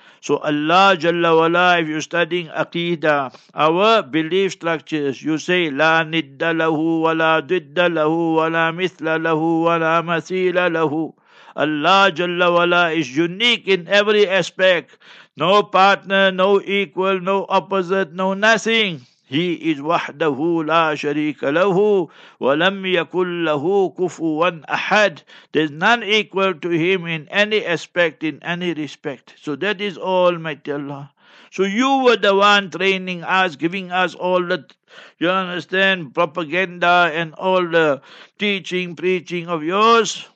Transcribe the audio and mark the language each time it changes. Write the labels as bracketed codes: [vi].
[en] So Allah Jalla Wala, if you're studying Aqeedah, our belief structures, you say, [ar] لا ند له ولا ضد له ولا مثل له ولا مثيل له. [en] Allah Jalla Wala is unique in every aspect. No partner, no equal, no opposite, no nothing. He is [ar] وحده لا شريك له ولم يكن له كفوا أحد. [en] There's none equal to him in any aspect, in any respect. So that is Almighty Allah. So you were the one training us, giving us all the, you understand, propaganda and all the teaching, preaching of yours.